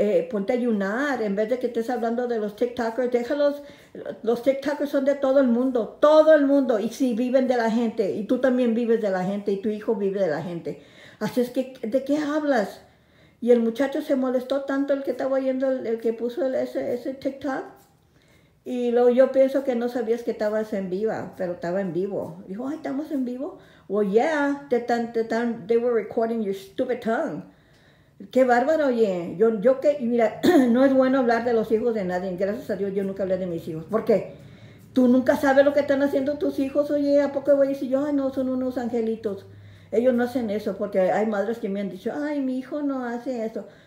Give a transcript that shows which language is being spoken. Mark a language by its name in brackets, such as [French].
[Spanish] Ponte a ayunar en vez de que estés hablando de los TikTokers. Déjalos, los TikTokers son de todo el mundo y sí, viven de la gente y tú también vives de la gente y tu hijo vive de la gente. Así es que, ¿de qué hablas? Y el muchacho se molestó tanto el que estaba oyendo, el que puso ese TikTok. Y luego yo pienso que no sabías que estabas en viva, pero estaba en vivo. Dijo, ay, ¿estamos en vivo? [English] Well, yeah, they were recording your stupid tongue. [Spanish] Qué bárbaro, oye. Yo que, mira, no es bueno hablar de los hijos de nadie. Gracias a Dios yo nunca hablé de mis hijos. ¿Por qué? Tú nunca sabes lo que están haciendo tus hijos. Oye, ¿a poco voy a decir yo? Ay, no, son unos angelitos. Ellos no hacen eso porque hay madres que me han dicho, ay, mi hijo no hace eso.